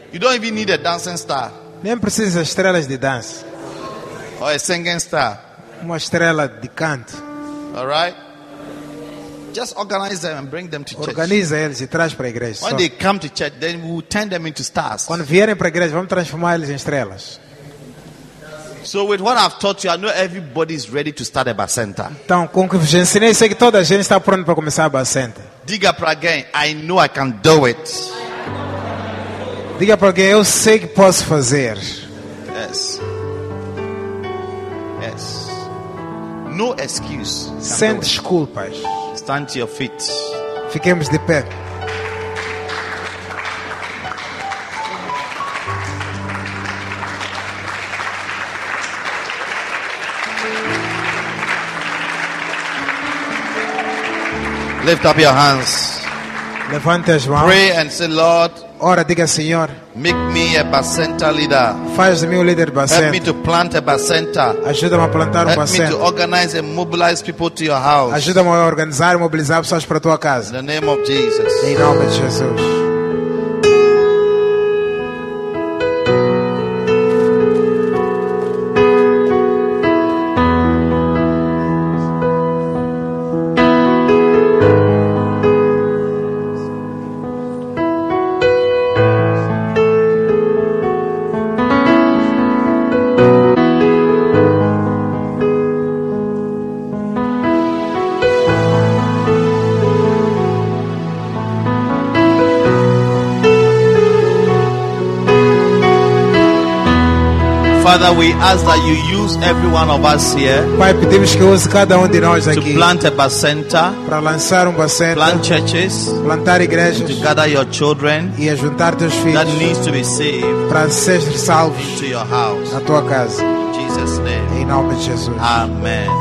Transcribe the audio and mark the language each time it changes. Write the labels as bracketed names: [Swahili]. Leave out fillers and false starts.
[English] You don't even need a dancing star. [Portuguese] Nem precisa de estrelas de dança. [English] Or a singing star. [Portuguese] Uma estrela de canto. [English] All right? Just organize them and bring them to church. [Portuguese] Organiza eles e traz para a igreja. [English] When they come to church, then we will turn them into stars. [Portuguese] Quando vierem para a igreja, vamos transformar eles em estrelas. [English] So with what I've taught you, I know everybody is ready to start a Bacenta. [Portuguese] Então, com o que vos ensinei, sei que toda a gente está pronta para começar a Bacenta. Diga para alguém, [English] I know I can do it. [Portuguese] Diga para alguém, eu sei que posso fazer. [English] Yes. Yes. No excuse. [Portuguese] Sem desculpas. [English] Stand to your feet. [Portuguese] Fiquemos de pé. [English] Lift up your hands. [Portuguese] Levante as mãos. [English] Pray and say, Lord. [Portuguese] Ora, diga, Senhor. [English] Make me a Bacenta leader. [Portuguese] Faz-me um líder de Bacenta. [English] Help me to plant a Bacenta. [Portuguese] Ajuda-me a plantar um Bacenta. [English] Help me to organize and mobilize people to your house. [Portuguese] Ajuda-me a organizar e mobilizar pessoas para a tua casa. [English] In the name of Jesus. [Portuguese] Em nome de Jesus. [English] Father, we ask that you use every one of us here. [Portuguese] Pai, pedimos que use cada de nós aqui. [English] To plant a Bacenta. [Portuguese] Para lançar Bacenta. [English] Plant churches. [Portuguese] Plantar igrejas. [English] To gather your children. [Portuguese] E a juntar teus filhos. [English] That needs to be saved. [Portuguese] Para ser salvo. [English] Into your house. [Portuguese] Na tua casa. [English] In Jesus' name. [Portuguese] Em nome de Jesus. [English] Amen.